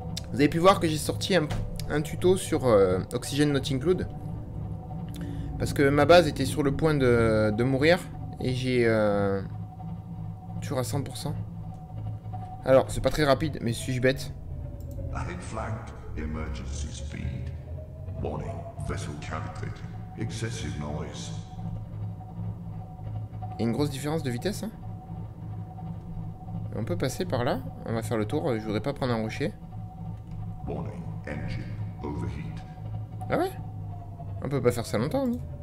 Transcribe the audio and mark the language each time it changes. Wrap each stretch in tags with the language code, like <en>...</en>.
<fr>Vous avez pu voir que j'ai sorti un tuto sur Oxygen Not Included. Parce que ma base était sur le point de mourir. Et j'ai... toujours à 100%. Alors, c'est pas très rapide, mais suis-je bête?</fr> <en>Ahead flanked, emergency speed. Warning, vessel captured. Excessive noise.</en> <fr>Il y a une grosse différence de vitesse, hein. On peut passer par là. On va faire le tour, je voudrais pas prendre un rocher.</fr> <en>Warning, engine, overheat.</en> <fr>Ah ouais? On peut pas faire ça longtemps, non?</fr>